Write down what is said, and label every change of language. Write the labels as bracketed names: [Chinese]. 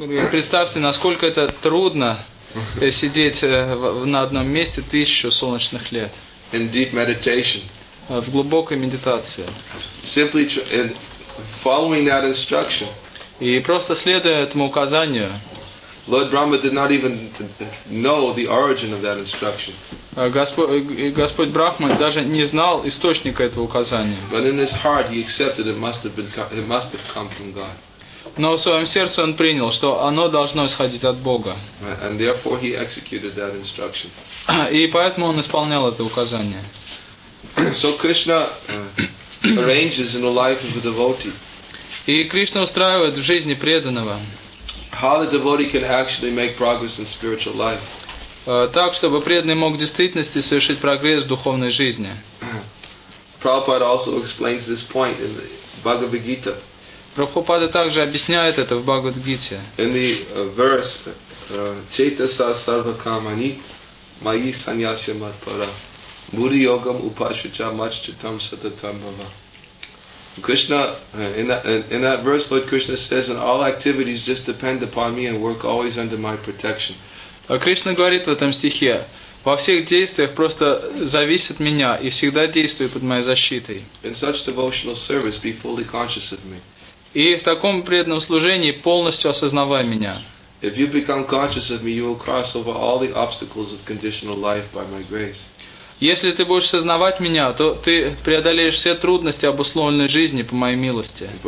[Russian] Представьте, насколько это трудно сидеть на одном месте 1,000 солнечных лет. [English] In deep meditation. [Russian] В глубокой медитации. [English] Simply and following that instruction. [Russian] И просто следуя этому указанию. [English] Lord Brahma did not even know the origin of that instruction. [Russian] Господь Брахма даже не знал источника этого указания. [English] But in his heart he accepted it must have come from God. [Russian] Но в своем сердце он принял, что оно должно исходить от Бога. [English] And therefore he executed that instruction. [Russian] И поэтому он исполнял это указание. [English] So Krishna arranges in the life of a devotee. [Russian] И Кришна устраивает в жизни преданного. [English] How the devotee can actually make progress in spiritual life. [Russian] Так, чтобы преданный мог в действительности совершить прогресс в духовной жизни. [English] Prabhupada also explains this point in the Bhagavad Gita. [Russian] Прабхупада также объясняет это в Бхагавад-гите. [English] In the verse, [Sanskrit] Chetasa sarvakamani mayi sanyasya matpara buddhi yogam upashucha mach chitam satatam bhava. [English] Krishna, in that verse, Lord Krishna says, "And all activities just depend upon me and work always under my protection." [Russian] Кришна говорит в этом стихе: во всех действиях просто зависит от меня и всегда действует под моей защитой. [English] In such devotional service, be fully conscious of me. [Russian] И в таком преданном служении полностью осознавай меня. [English] If you become conscious of me, you will cross over all the obstacles of conditional life by my grace. [Russian] Если ты будешь сознавать меня, то ты преодолеешь все трудности обусловленной жизни по моей милости.